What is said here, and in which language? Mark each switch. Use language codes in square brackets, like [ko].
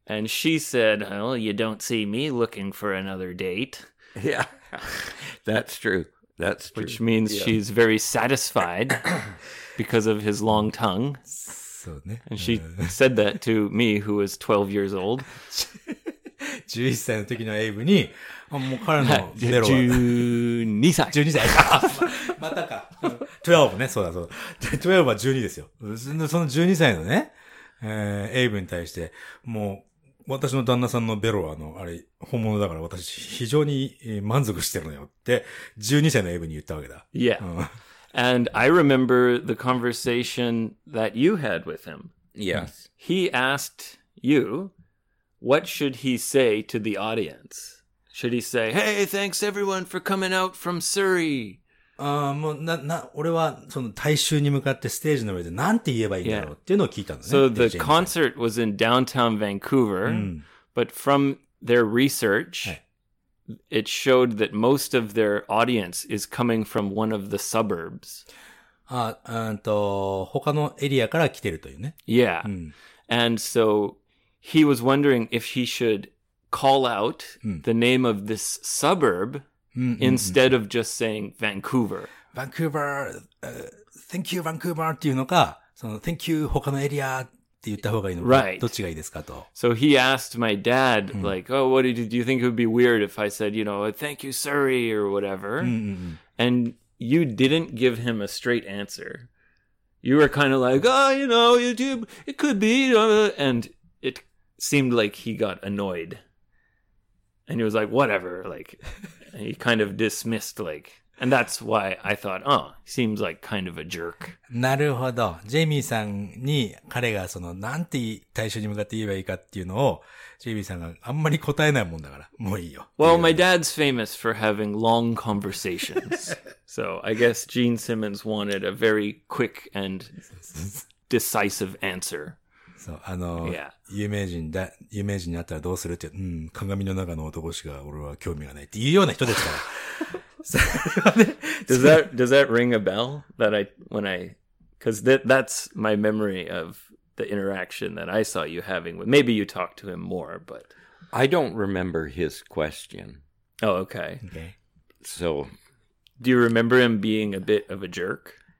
[en] And she said, well, you don't see me looking for another date. Yeah, that's true. That's true. Which means she's very satisfied because of his long tongue. So, ね. And she said that to me, who was 12 years old. [ja] 11歳の時のエイブに、もう彼のゼロは。 12歳。 12歳。またか。12ね、そうだそうだ。12は12ですよ。その12歳のね、エイブに対して、もう、私の旦那さんのベロは、あれ、本物だから私、非常に満足してるのよって、12歳のエイブに言ったわけだ。 [en] Yeah. And I remember the conversation that you had with him. Yes. He asked you,What should he say to the audience? Should he say, hey, thanks everyone for coming out from Surrey? [ja] ああ、もう、俺は、その、大衆に向かってステージの上で、なんて言えばいいんだろうっていうのを聞いたのね。 [en] So the concert was in downtown Vancouver,、 [ja] うん、 [en] but from their research,、 [ja] はい、 [en] it showed that most of their audience is coming from one of the suburbs. [ja] ああ、他のエリアから来てるというね。 [en] Yeah.、 [ja] うん、 [en] And so, he was wondering if he should call out、うん、the name of this suburb,instead of just saying Vancouver. [ja] Vancouver,、 [en] thank you Vancouver [ja] っていうのか、その [en] thank you [ja] 他のエリアって言った方がいいのか、 [en] right. [ja] どっちがいいですかと。 [en] So he asked my dad,、 [ja] うん、 [en] like, oh, what did you, do you think it would be weird if I said, you know, thank you Surrey or whatever?、 [ja] うんうんうん、 [en] And you didn't give him a straight answer. You were kind of like, oh, you know, YouTube, it could be, and it seemed like he got annoyed. And he was like, whatever, like... He kind of dismissed, like, and that's why I thought, oh, seems like kind of a jerk. [ja] なるほど。ジェイミーさんに彼がその、なんて対象に向かって言えばいいかっていうのを、ジェイミーさんがあんまり答えないもんだから、もういいよ。 [en] Well, my dad's famous for having long conversations. So, I guess Gene Simmons wanted a very quick and decisive answer. [ja] そう、あの、 [en] yeah. [ja] 有名人だ、有名人に会ったらどうするって、うん、鏡の中の男しか俺は興味がないっていうような人ですから。 [en] does that ring a bell that I, when I, cause that's my memory of the interaction that I saw you having with, maybe you talked to him more, but. I don't remember his question. Oh, okay. Okay. So. Do you remember him being a bit of a jerk?